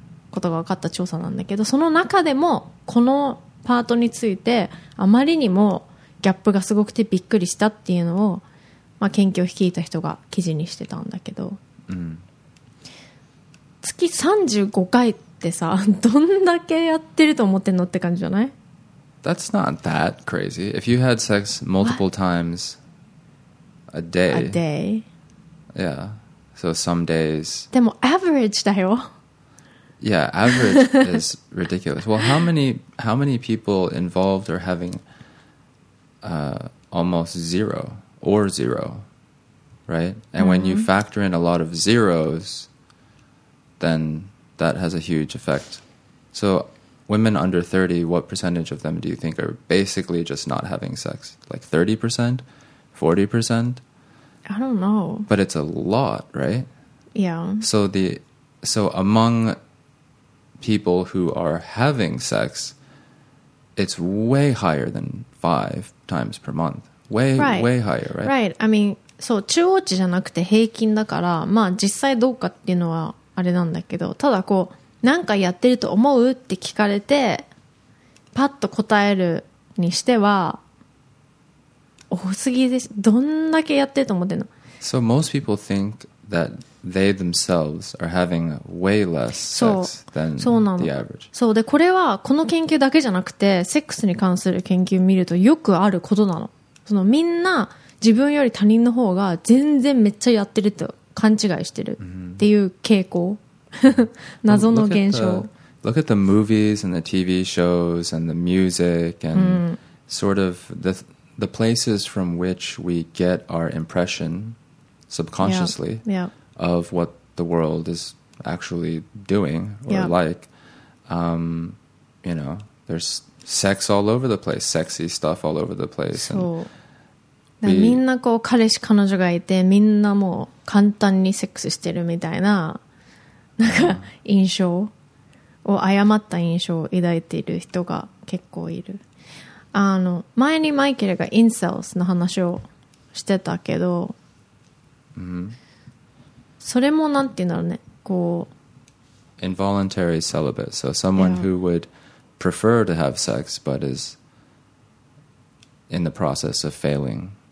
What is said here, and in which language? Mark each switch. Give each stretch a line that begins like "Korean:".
Japanese: ことが分かった調査なんだけど、その中でもこのパートについてあまりにもギャップがすごくてびっくりしたっていうのを、まあ、研究を率いた人が記事にしてたんだけど、うん、月35回ってさ、どんだけやってると思ってんのって感じじゃない？
English: That's not that crazy. If you had sex multiple times a day. A day. Yeah. So some days.
Japanese: でも average だよ。
English: Yeah, average is ridiculous. Well, how many people involved are having almost zero or zero, right? And mm-hmm. when you factor in a lot of zeros, then that has a huge effect. So women under 30, what percentage of them do you think are basically just not having sex? Like 30%? 40%? I don't know. But it's a lot, right? Yeah. So among people who are having sex, it's way higher than 5 times per month. Way, right. way higher, right? Right. I mean,
Japanese: そう、中央値じゃなくて平均だから、まあ実際どうかっていうのはあれなんだけど、ただこう、何回やってると思うって聞かれて、パッと答えるにしては、多すぎです。どんだけやってると思ってんの？
English: So most people think that they themselves are having way less sex than
Japanese: そうなの
English: the average.
Japanese: そうで、これはこの研究だけじゃなくて、セックスに関する研究見るとよくあることなの。そのみんな自分より他人の方が全然めっちゃやってると勘違いしてるっていう傾向、謎の現象。
English: Look at the movies and the TV shows and the music and、mm. sort of the places from which we get our impression subconsciously. Yeah. yeah. of what the world is actually doing or yep. like. You know, there's sex all over the place, sexy stuff all over the place.
Japanese: So, みんなこう彼氏彼女がいて、みんなもう簡単にセックスしてるみたいな、なんか印象を誤った印象を抱いている人が結構いる。あの、前にマイケルがインセルスの話をしてたけど、 mm-hmm. それもなんて言うんだろうね、こう
English: involuntary celibate, so someone who would prefer to have sex but is in the process of failing.